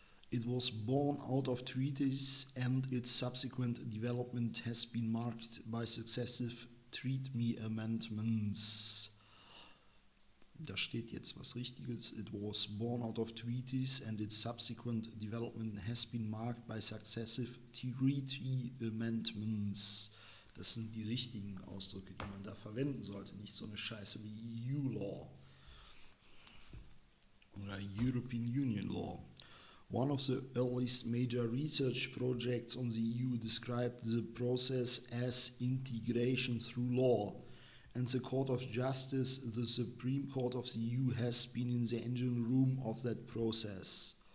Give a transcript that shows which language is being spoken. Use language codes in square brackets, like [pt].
[en] It was born out of treaties, and its subsequent development has been marked by successive treaty amendments. [de] Da steht jetzt was Richtiges. [en] It was born out of treaties, and its subsequent development has been marked by successive treaty amendments. [de] Das sind die richtigen Ausdrücke, die man da verwenden sollte. Nicht so eine Scheiße wie EU Law oder European Union Law. [en] One of the earliest major research projects on the EU described the process as integration through law. And the Court of Justice, the Supreme Court of the EU, has been in the engine room of that process.